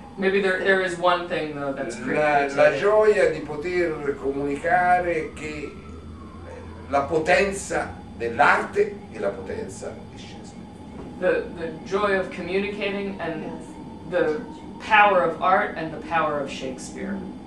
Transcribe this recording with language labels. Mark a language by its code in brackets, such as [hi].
[en] Maybe there is one thing though that's pretty. [it] La gioia di poter comunicare che la potenza dell'arte e la potenza di Shakespeare. [en] The joy of communicating and the power of art and the power of Shakespeare.